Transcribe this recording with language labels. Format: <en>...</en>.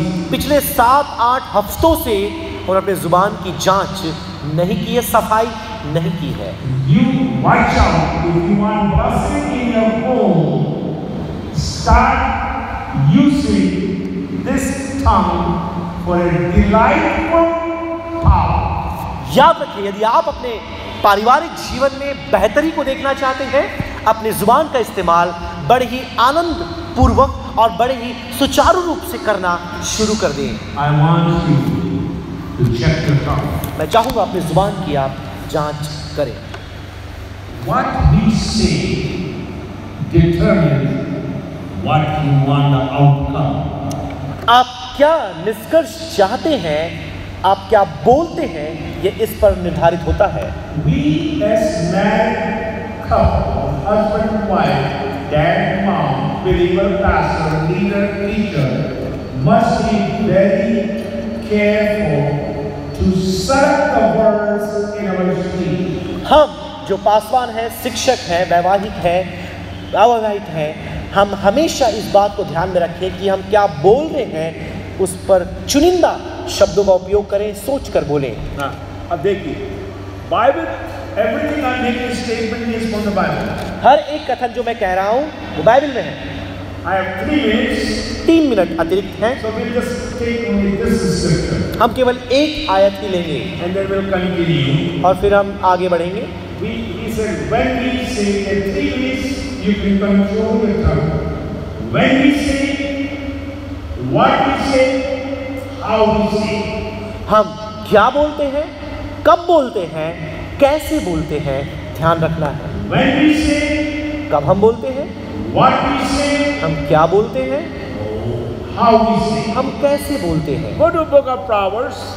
<hi>पिछले 7-8 हफ्तों से और अपने जुबान की जांच नहीं की है, सफाई नहीं की है।</hi> <en>You watch out if you want blessing in your home, start using this tongue for a delightful power.</en> <hi>याद रखिए, यदि आप अपने पारिवारिक जीवन में बेहतरी को देखना चाहते हैं, अपनी जुबान का इस्तेमाल बड़े ही आनंद पूर्वक और बड़े ही सुचारू रूप से करना शुरू कर दें।</hi> <en>I want you to check your tongue.</en> <hi>मैं चाहूंगा अपनी जुबान की आप जांच करें।</hi> <en>What we say determines what you want the outcome.</en> <hi>आप क्या निष्कर्ष चाहते हैं, आप क्या बोलते हैं, ये इस पर निर्धारित होता है।</hi> <en>We as man, husband, wife, dad, mom, believer, pastor, leader, teacher, must be very careful to serve the words in our speech.</en> <hi>हम जो पासवान हैं, शिक्षक हैं, वैवाहिक हैं, अवैवाहिक हैं, हम हमेशा इस बात को ध्यान में रखें कि हम क्या बोल रहे हैं, उस पर चुनिंदा शब्दों का उपयोग करें, सोच कर बोलें। अब देखिए,</hi> <en>Bible, everything I make in statement is from the Bible.</en> <hi>हर एक कथन जो मैं कह रहा हूँ वो बाइबल में है।</hi> <en>I have 3 minutes.</en> <hi>3 मिनट अतिरिक्त हैं।</hi> <en>So we'll just take only this scripture.</en> <hi>हम केवल एक आयत ही लेंगे।</hi> <en>And then we'll continue.</en> <hi>और फिर हम आगे बढ़ेंगे।</hi> <en>He said, when we say in 3 minutes, you can control your tongue. When we say, what we say, how we say.</en> <hi>हम क्या बोलते हैं, कब बोलते हैं, कैसे बोलते हैं, ध्यान रखना है।</hi> <en>When we say,</en> <hi>कब हम बोलते हैं,</hi> <en>what we say,</en> <hi>हम क्या बोलते हैं,</hi> <en>how we say,</en> <hi>हम कैसे बोलते हैं।</hi> <en>Go to book of Proverbs,</en>